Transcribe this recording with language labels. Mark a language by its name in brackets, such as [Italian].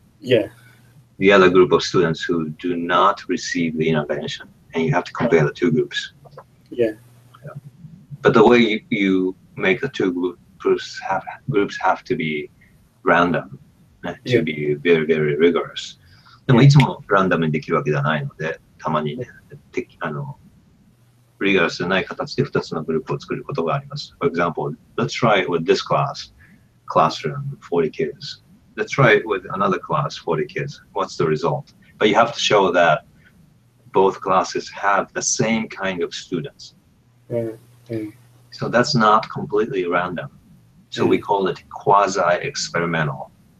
[English] Yeah. The other group of students who do not receive the intervention, and you have to compare the two groups. Yeah. But the way you make the two groups have to be random, right? Yeah. to be very, very rigorous. [Japanese] でもいつもランダムにできるわけではないので、たまにね、rigorous でない形で2つのグループを作ることがあります。 [English] For example, let's try it with this class, classroom, 40 kids. Let's try it with another class, 40 kids. What's the result? But you have to show that both classes have the same kind of students. Yeah. So that's not completely random. So we call it quasi-experimental